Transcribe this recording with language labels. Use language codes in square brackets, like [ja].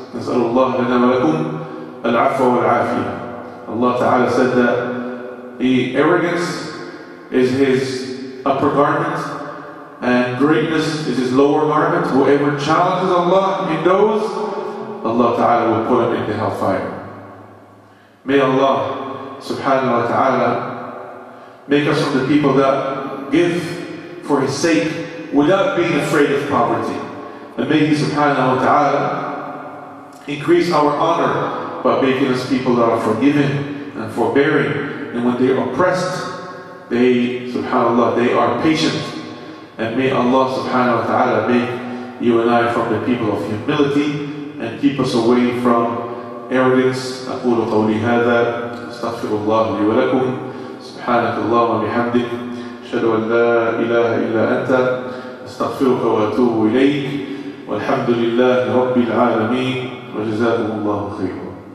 [ar] نسأل الله لنا ولكم العفو والعافية. [en] Allah ta'ala said that the arrogance is his upper garment and greatness is his lower garment. Whoever challenges Allah in those, Allah ta'ala will put him in the hellfire. May Allah subhanahu wa ta'ala make us from the people that give for his sake without being afraid of poverty. And may He subhanahu wa ta'ala increase our honor by making us people that are forgiving and forbearing. And when they are oppressed, they, subhanAllah, they are patient. And may Allah subhanahu wa ta'ala make you and I from the people of humility and keep us away from arrogance. [ar] أقول قولي هذا استغفر الله لي ولكم سبحانك اللهم وبحمدك أشهد أن لا إله إلا أنت استغفرك وأتوب إليك والحمد لله رب العالمين وجزاكم الله خيرا.